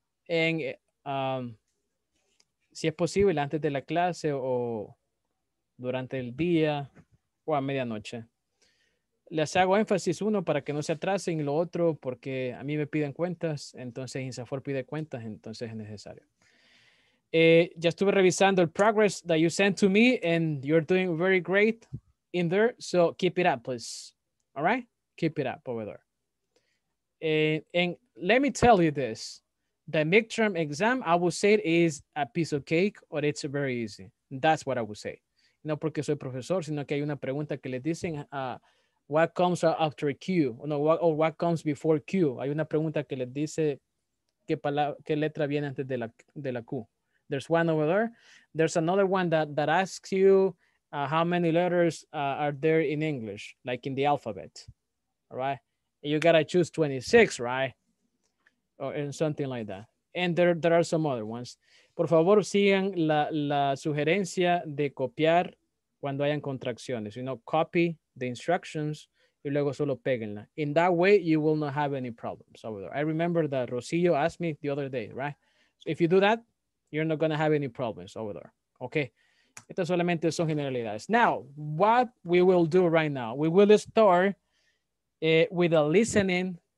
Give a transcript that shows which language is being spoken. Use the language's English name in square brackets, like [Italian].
[English] And [Spanish] si es posible, antes de la clase o durante el día o a medianoche. Les hago énfasis uno para que no se atrasen y lo otro porque a mí me piden cuentas. Entonces, INSAFORP pide cuentas, entonces es necesario. Ya estuve revisando el [English] progress that you sent to me and you're doing very great in there. So keep it up, please. All right? Keep it up over there. And let me tell you this. The midterm exam, I will say it is a piece of cake or it's very easy. That's what I will say. [Spanish] No porque soy profesor, sino que hay una pregunta que les dicen, [English] what comes after Q? What comes before Q? [Spanish] Hay una pregunta que les dice qué letra viene antes de la Q. [English] There's one over there. There's another one that asks you how many letters are there in English, like in the alphabet, all right? You gotta choose 26, right? Or something like that. And there are some other ones. [Spanish] Por favor, sigan la sugerencia de copiar cuando hayan contracciones. [English] You know, copy the instructions [Spanish] y luego solo peguenla. [English] In that way, you will not have any problems over there. I remember that Rocío asked me the other day, right? So if you do that, you're not gonna have any problems over there, okay? [Spanish] Estas solamente son generalidades. [English] Now, what we will do right now, we will start with a listening.